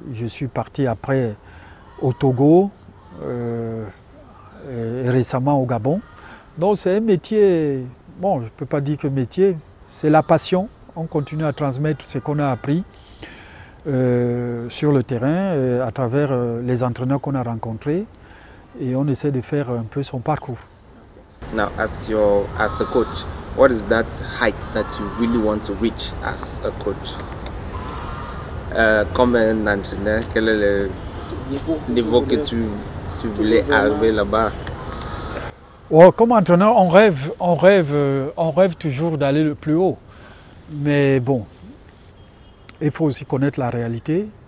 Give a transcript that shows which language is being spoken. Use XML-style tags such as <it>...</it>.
<fr>Je suis parti après au Togo, et récemment au Gabon. Donc, c'est un métier, bon, je ne peux pas dire que métier, c'est la passion. On continue à transmettre ce qu'on a appris sur le terrain, à travers les entraîneurs qu'on a rencontrés, et on essaie de faire un peu son parcours.</fr> <en>Now, as a coach, what is that height that you really want to reach as a coach?</en> <fr>Comme un entraîneur, quel est le niveau que tu voulais arriver là-bas? Well, comme entraîneur, on rêve toujours d'aller le plus haut. Mais bon, il faut aussi connaître la réalité.</fr>